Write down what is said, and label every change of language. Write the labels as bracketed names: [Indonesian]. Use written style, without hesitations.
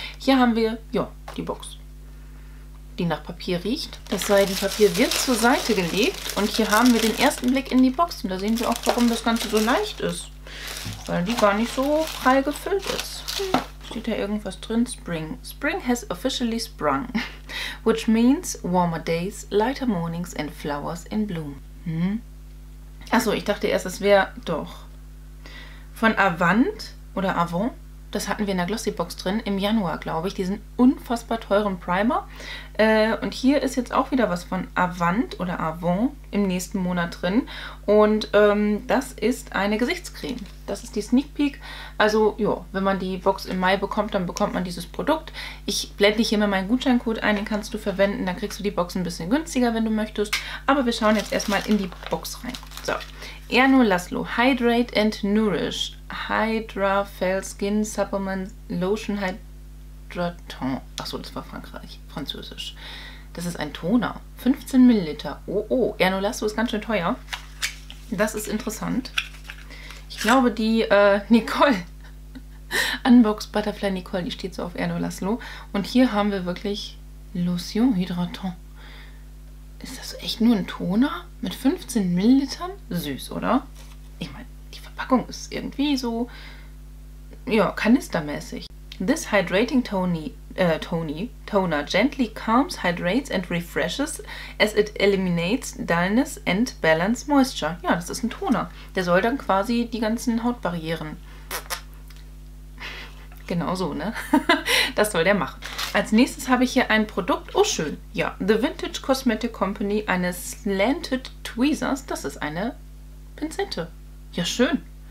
[German] Hier haben wir, ja, die Box, die nach Papier riecht. Das Seidenpapier wird zur Seite gelegt und hier haben wir den ersten Blick in die Box. Und da sehen wir auch, warum das Ganze so leicht ist. Weil die gar nicht so prall gefüllt ist. Steht da irgendwas drin? [English] Spring. Spring has officially sprung. Which means warmer days, lighter mornings and flowers in bloom. Hm? [German] Achso, ich dachte erst, es wäre doch. Von Avant oder Avant. Das hatten wir in der Glossy Box drin im Januar, glaube ich. Diesen unfassbar teuren Primer. Und hier ist jetzt auch wieder was von Avant oder Avon im nächsten Monat drin. Und das ist eine Gesichtscreme. Das ist die Sneak Peek. Also ja, wenn man die Box im Mai bekommt, dann bekommt man dieses Produkt. Ich blende hier mal meinen Gutscheincode ein, den kannst du verwenden. Dann kriegst du die Box ein bisschen günstiger, wenn du möchtest. Aber wir schauen jetzt erstmal in die Box rein. So, Erno Laszlo, Hydrate and Nourish. Hydra Fell Skin Supplement Lotion Hydraton. Achso, das war Frankreich. Französisch. Das ist ein Toner. 15 Milliliter. Oh, oh. Erno Laszlo ist ganz schön teuer. Das ist interessant. Ich glaube, die Nicole. Unbox Butterfly Nicole, die steht so auf Erno Laszlo. Und hier haben wir wirklich Lotion Hydraton. Ist das echt nur ein Toner? Mit 15 Millilitern? Süß, oder? Ich meine, Packung ist irgendwie so, ja, kanistermäßig. [English] This hydrating toner gently calms, hydrates and refreshes as it eliminates dullness and balance moisture. [German] Ja, das ist ein Toner. Der soll dann quasi die ganzen Hautbarrieren. Genau so, ne? Das soll der machen. Als nächstes habe ich hier ein Produkt. Oh, schön. Ja, The Vintage Cosmetic Company, eine Slanted Tweezers. Das ist eine Pinzette. Ja, schön.